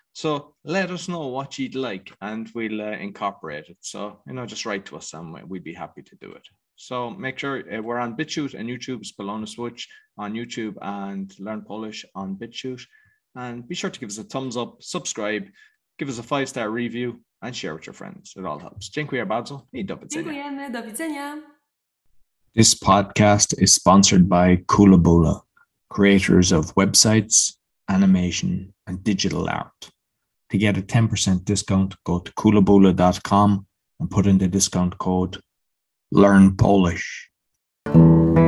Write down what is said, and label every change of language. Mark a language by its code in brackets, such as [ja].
[en] So let us know what you'd like and we'll incorporate it. So, you know, just write to us and we'd be happy to do it. So make sure we're on BitChute and YouTube's polonaswitch on YouTube and Learn Polish on BitChute. And be sure to give us a thumbs up, subscribe, give us a 5-star review, and share with your friends. It all helps. [pl] Dziękuję bardzo i do widzenia. Dziękujemy, do widzenia. [en] This podcast is sponsored by Koolaboola, creators of websites, animation, and digital art. To get a 10% discount, go to koolaboola.com and put in the discount code LearnPolish.